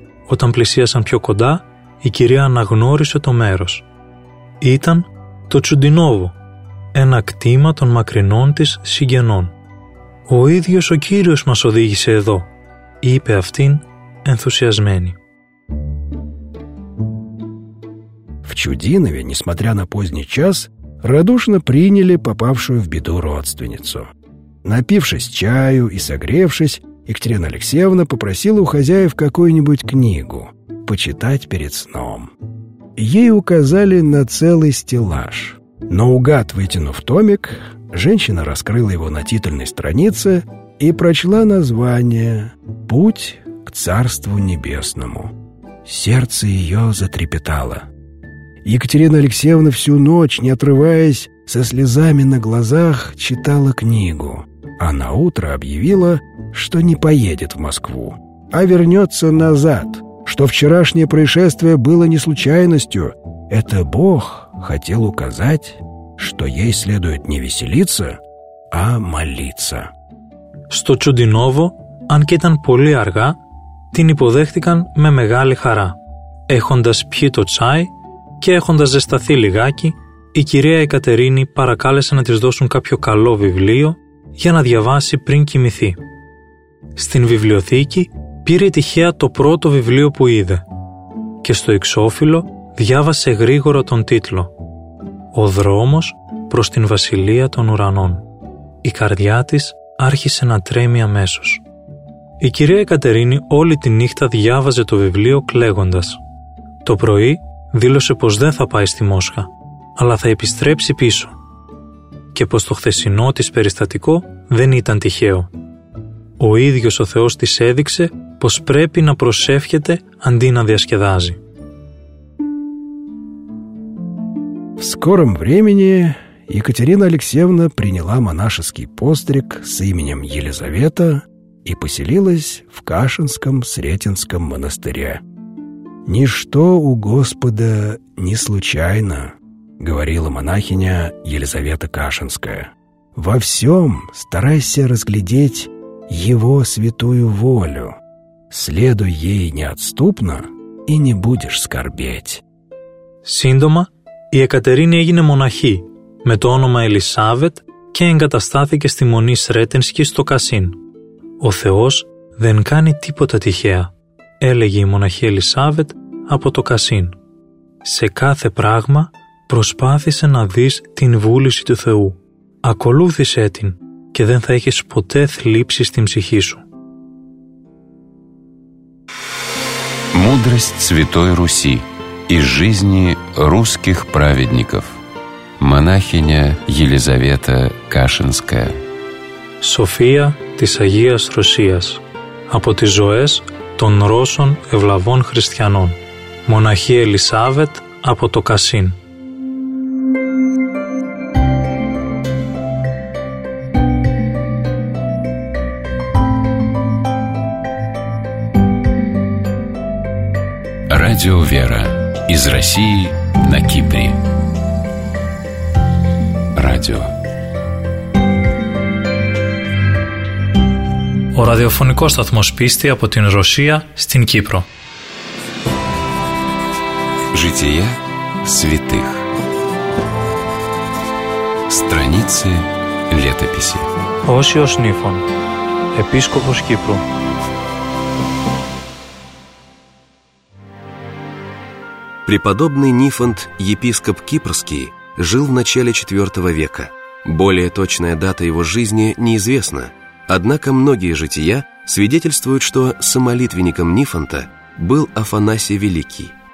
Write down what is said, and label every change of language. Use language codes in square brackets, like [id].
[el] Όταν πλησίασαν πιο κοντά, η κυρία αναγνώρισε το μέρος. Ήταν το Τσουντινόβο, ένα κτήμα των μακρινών της συγγενών. «Ο ίδιος ο Κύριος μας οδήγησε εδώ», είπε αυτήν ενθουσιασμένη. [ru] В Чудинове, несмотря на поздний час, радушно приняли попавшую в беду родственницу. Напившись чаю и согревшись, Екатерина Алексеевна попросила у хозяев какую-нибудь книгу почитать перед сном. Ей указали на целый стеллаж. Наугад вытянув томик, женщина раскрыла его на титульной странице и прочла название «Путь к Царству Небесному». Сердце ее затрепетало. Екатерина Алексеевна всю ночь, не отрываясь, со слезами на глазах, читала книгу, а наутро объявила, что не поедет в Москву, а вернется назад, что вчерашнее происшествие было не случайностью, это Бог хотел указать что ей следует не веселиться, а молиться. [el] Στο Чудиново, αν και ήταν πολύ αργά, την υποδέχτηκαν με μεγάλη χαρά. Έχοντας πιει το τσάι και έχοντας ζεσταθεί λιγάκι, η κυρία Εκατερίνη παρακάλεσε να της δώσουν κάποιο καλό βιβλίο για να διαβάσει πριν κοιμηθεί. Στην βιβλιοθήκη πήρε τυχαία το πρώτο βιβλίο που είδε και στο εξώφυλλο διάβασε γρήγορα τον τίτλο «Ο δρόμος προς την Βασιλεία των Ουρανών». Η καρδιά της άρχισε να τρέμει αμέσως. Η κυρία Εκατερίνη όλη τη νύχτα διάβαζε το βιβλίο κλαίγοντας. Το πρωί δήλωσε πως δεν θα πάει στη Μόσχα, αλλά θα επιστρέψει πίσω και πως το χθεσινό της περιστατικό δεν ήταν τυχαίο. Ο ίδιος ο Θεός της έδειξε πως πρέπει να προσεύχεται αντί να διασκεδάζει. [ru] В скором времени Екатерина Алексеевна приняла монашеский постриг с именем Елизавета и поселилась в Кашинском Сретенском монастыре. «Ничто у Господа не случайно», — говорила монахиня Елизавета Кашинская. «Во всем старайся разглядеть Его святую волю. Следуй ей неотступно, и не будешь скорбеть». [el] Σύντομα, η Εκατερίνη έγινε μοναχή με το όνομα Ελισάβετ και εγκαταστάθηκε στη Μονή Σρέτενσκη στο Κασίν. «Ο Θεός δεν κάνει τίποτα τυχαία», έλεγε η μοναχή Ελισάβετ από το Κασίν. «Σε κάθε πράγμα προσπάθησε να δεις την βούληση του Θεού. Ακολούθησε την και δεν θα έχεις ποτέ θλίψη στην ψυχή σου». [ru] Мудрость Святой Руси из жизни русских праведников. Монахиня Елизавета Кашинская. [el] София της Αγίας Ρωσίας. Από τις ζωές των Ρώσων ευλαβών χριστιανών. Μοναχή Ελισάβετ από το Κασίν. [ru] Радио «Вера» из России на Кипре. Радио. [el] Ο ραδιοφωνικός σταθμός «Πίστη» από την Ρωσία στην Κύπρο. [ru] Жития святых. Страницы летописи. [el] Όσιος Νύφων, επίσκοπος Κύπρου. [ru] Преподобный Нифонт, епископ кипрский, жил в начале IV века. Более точная дата его жизни неизвестна. Однако многие жития свидетельствуют, что самолитвенником Нифонта был Афанасий Великий.